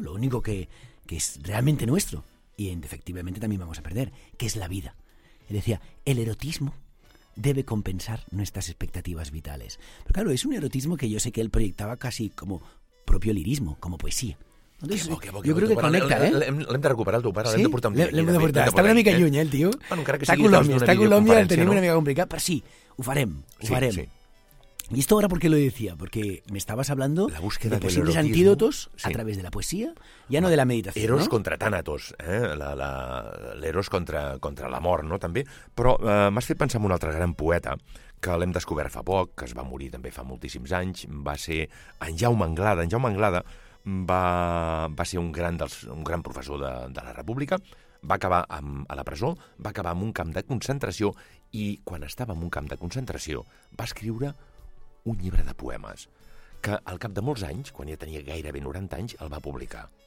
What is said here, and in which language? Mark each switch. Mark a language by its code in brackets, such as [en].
[es] Lo único que es realmente nuestro, y efectivamente también vamos a perder, que es la vida. Él decía, el erotismo debe compensar nuestras expectativas vitales. Pero claro, es un erotismo que yo sé que él proyectaba casi como propio lirismo, como poesía. Entonces, yo creo que conecta, ¿eh? [ca] L'hem de recuperar, el teu pare, l'hem de portar un dia. L'hem de portar. Està una mica lluny, el tio. Bueno, encara que sigui d'una videoconferència, no? Tenim una mica complicat, però sí, ho farem. Sí. [es] ¿Y esto ahora por qué lo decía? Porque me estabas hablando la búsqueda de posibles antídotos a través de la poesía, ya no de la meditación. [ca] Eros contra tánatos, l'eros contra l'amor, no? També. Però m'has fet pensar en un altre gran poeta que l'hem descobert fa poc, que es va morir també fa moltíssims anys, va ser en Jaume Anglada. En Jaume Anglada va ser un gran professor de la República, va acabar a la presó, va acabar en un camp de concentració, i quan estava en un camp de concentració va escriure un llibre de poemes que al cap de molts anys, quan ja tenia gairebé 90 anys, el va publicar.